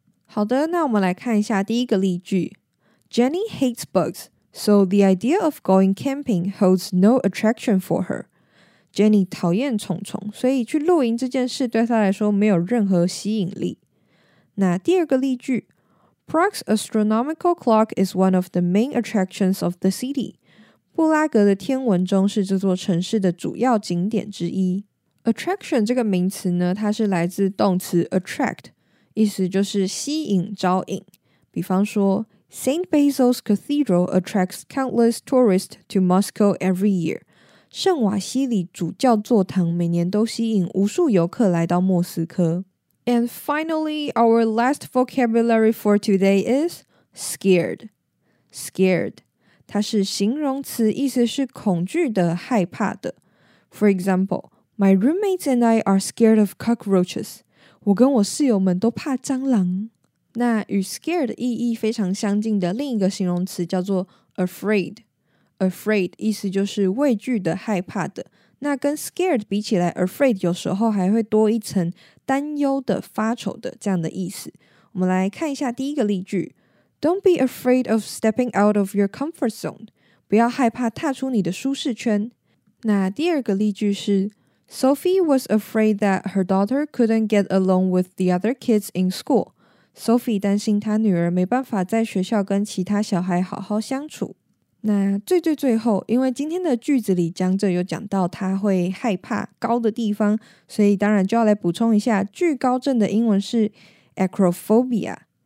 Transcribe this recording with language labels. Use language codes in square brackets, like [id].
[zh] 好的，那我们来看一下第一个例句。 [en] Jenny hates bugs, so the idea of going camping holds no attraction for her. [zh] Jenny 讨厌虫虫，所以去露营这件事对她来说没有任何吸引力。那第二个例句。 [en] Prague's astronomical clock is one of the main attractions of the city. [zh] 布拉格的天文钟是这座城市的主要景点之一。 Attraction 这个名词呢，它是来自动词 attract，意思就是吸引、招引。比方说 [en] St. Basil's Cathedral attracts countless tourists to Moscow every year. [zh] 圣瓦西里主教座堂每年都吸引无数游客来到莫斯科。 [en] And finally, our last vocabulary for today is scared. Scared. [zh] 它是形容词，意思是恐惧的、害怕的。 [en] For example, my roommates and I are scared of cockroaches. [zh] 我跟我室友们都怕蟑螂。那与 scared 意义非常相近的另一个形容词叫做 afraid。 afraid 意思就是畏惧的、害怕的。那跟 scared 比起来， afraid 有时候还会多一层担忧的、发愁的这样的意思。我们来看一下第一个例句。 [en] Don't be afraid of stepping out of your comfort zone. [zh] 不要害怕踏出你的舒适圈。那第二个例句是 [en] Sophie was afraid that her daughter couldn't get along with the other kids in school. [zh] Sophie 担心她女儿没办法在学校跟其他小孩好好相处。那最最最后，因为今天的句子里讲者有讲到她会害怕高的地方，所以当然就要来补充一下，惧高症的英文是 acrophobia.